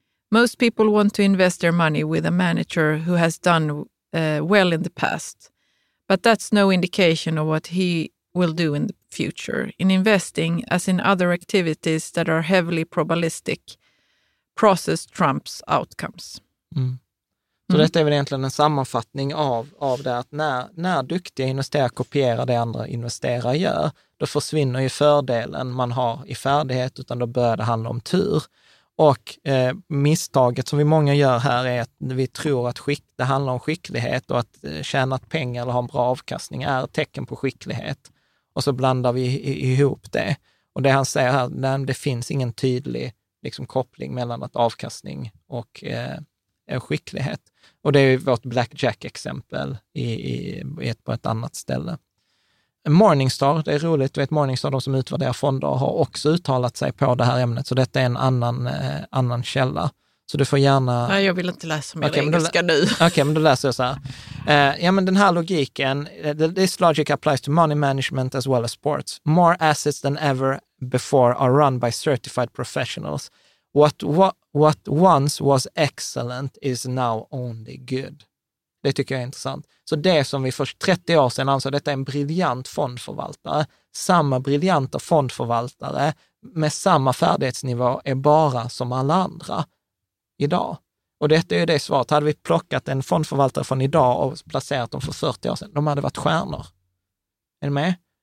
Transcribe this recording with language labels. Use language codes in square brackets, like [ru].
[en] Most people want to invest their money with a manager who has done well in the past, but that's no indication of what he will do in the future. In investing, as in other activities that are heavily probabilistic, process trumps outcomes. [sv] Mm. Så detta är väl egentligen en sammanfattning av det att när duktiga investerare kopierar det andra investerare gör, då försvinner ju fördelen man har i färdighet, utan då börjar det handla om tur. Och misstaget som vi många gör här är att vi tror att det handlar om skicklighet, och att tjäna pengar eller ha en bra avkastning är ett tecken på skicklighet. Och så blandar vi ihop det. Och det han säger här, nej, det finns ingen tydlig liksom, koppling mellan att avkastning och skicklighet. Och det är vårt blackjack-exempel på ett annat ställe. Morningstar, det är roligt. Du vet, Morningstar, de som utvärderar fonder, har också uttalat sig på det här ämnet. Så detta är en annan källa. Så du får gärna... Nej, jag vill inte läsa mer engelska nu. Okej, men då läser jag så här. Ja, men den här logiken, [en] this logic applies to money management as well as sports. More assets than ever before are run by certified professionals. What once was excellent is now only good. [sv] Det tycker jag är intressant. Så det som vi för 30 år sedan ansåg, detta är en briljant fondförvaltare. Samma briljanta fondförvaltare med samma färdighetsnivå är bara som alla andra idag. Och detta är ju det svaret. Hade vi plockat en fondförvaltare från idag och placerat dem för 40 år sedan, de hade varit stjärnor. Är ni med?